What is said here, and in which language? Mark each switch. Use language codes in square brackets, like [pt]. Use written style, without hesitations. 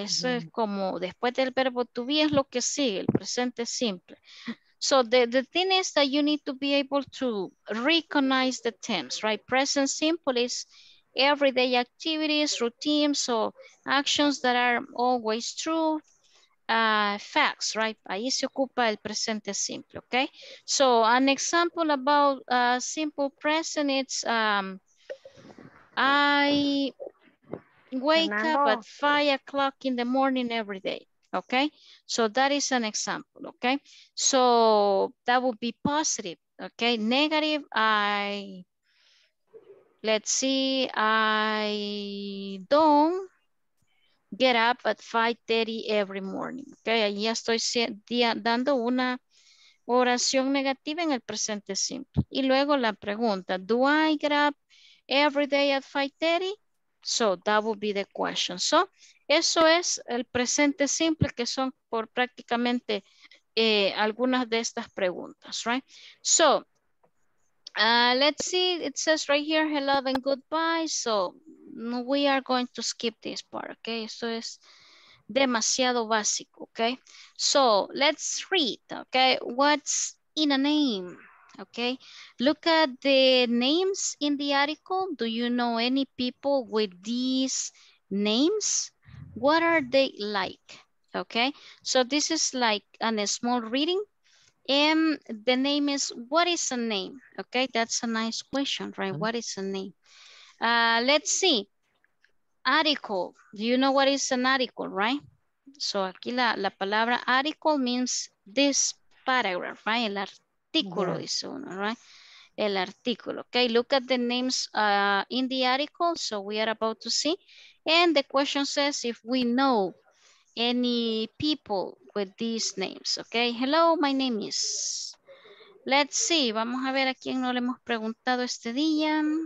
[es] Eso es como después del verbo to be es lo que sigue, el presente simple. [en] So the thing is that you need to be able to recognize the tense, right? Present simple is everyday activities, routines, so actions that are always true, facts, right? [es] Ahí se ocupa el presente simple, okay? [en] So an example about simple present, it's I wake up at 5 o'clock in the morning every day. Okay, so that is an example. Okay, so that would be positive. Okay, negative, I don't get up at 5:30 every morning. [es] Okay, ahí estoy dando una oración negativa en el presente simple. Y luego la pregunta, [en] do I get up every day at 5:30? So that would be the question. [es] So eso es el presente simple, que son por prácticamente algunas de estas preguntas, right? [en] So, let's see, it says right here, hello and goodbye. So, we are going to skip this part, okay? [es] Esto es demasiado básico, [en] okay? So, let's read, okay? What's in a name? Okay, look at the names in the article. Do you know any people with these names? What are they like? Okay, so this is like a small reading. And the name is, what is a name? Okay, that's a nice question, right? What is a name? Let's see. Article. Do you know what is an article, right? So [es] aquí la palabra [en] article means this paragraph, right? [es] El artículo, dice uno, [en] right? [es] el artículo. [en] Okay, look at the names in the article. So we are about to see. And the question says if we know any people with these names. Okay, hello, my name is. Let's see, [es] vamos a ver a quién no le hemos preguntado este día.